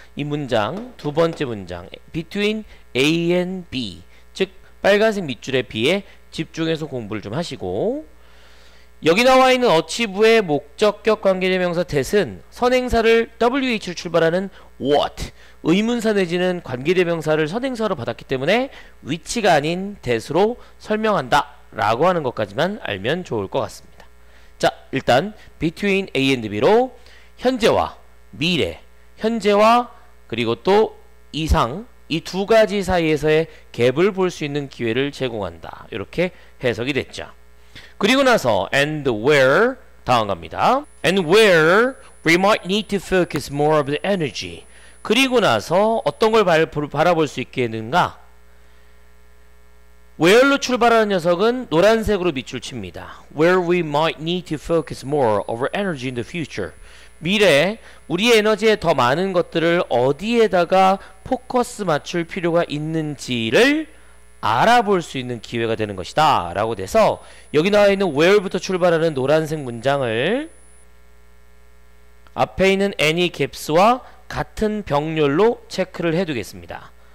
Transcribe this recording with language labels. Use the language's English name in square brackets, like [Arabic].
[Korean] 이 문장, 두 번째 문장, [English] between A and B, [Korean] 즉 빨간색 밑줄에 B에 집중해서 공부를 좀 하시고, 여기 나와 있는 achieve의 목적격 관계대명사 that은 선행사를 WH를 출발하는 what, 의문사 내지는 관계대명사를 선행사로 받았기 때문에 which가 아닌 that으로 설명한다 라고 하는 것까지만 알면 좋을 것 같습니다. 자, 일단 [English] between A and B [Korean] 로 현재와 미래, 현재와 그리고 또 이상, 이 두 가지 사이에서의 갭을 볼 수 있는 기회를 제공한다, 이렇게 해석이 됐죠. 그리고 나서 [English] and where [Korean] 다음 갑니다. [English] and where we might need to focus more of the energy. [Korean] 그리고 나서 어떤 걸 바라볼 수 있겠는가? where로 출발하는 녀석은 노란색으로 밑줄 칩니다. [English] where we might need to focus more of our energy in the future. [Korean] 미래에 우리의 에너지에 더 많은 것들을 어디에다가 포커스 맞출 필요가 있는지를 알아볼 수 있는 기회가 되는 것이다 라고 돼서 여기 나와 있는 where부터 출발하는 노란색 문장을 앞에 있는 [English] any gaps [Korean] 와 같은 병렬로 체크를 해두겠습니다.